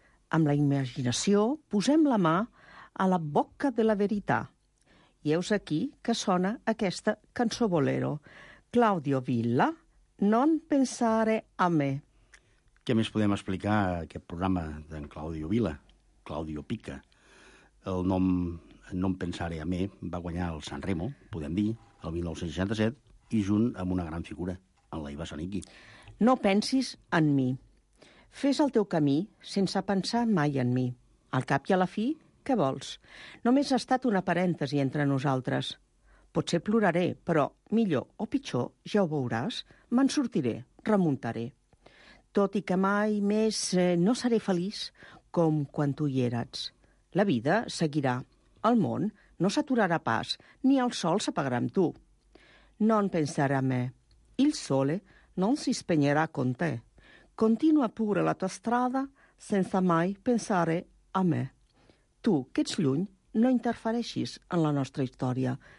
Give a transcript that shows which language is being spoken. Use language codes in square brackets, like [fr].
[ca] Amb la imaginació posem la mà a [it] la bocca de la verità. [ca] I heus aquí que sona aquesta cançó bolero. Claudio Villa, Non pensare a me. Què més podem explicar a aquest programa d'en Claudio Villa? Claudio Pica. El nom Non pensare a me va guanyar el San Remo, podem dir, el 1967, i junt amb una gran figura, en l'Aiva Soniqui. No pensis en mi. Fes el teu camí sense pensar mai en mi. Al cap i a la fi, què vols? Només ha estat una parèntesi entre nosaltres. Potser ploraré, però millor o pitjor, ja ho veuràs, me'n sortiré, remuntaré. Tot i que mai més no seré feliç com quan tu hi eres. La vida seguirà. El món no s'aturarà pas, ni el sol s'apagarà amb tu. [it] Non pensare a me. Il sole non si spegnerà con te. Continua pure la tua strada senza mai pensare a me. [ca] Tu, che ets lluny, no interfereixis en la nostra història.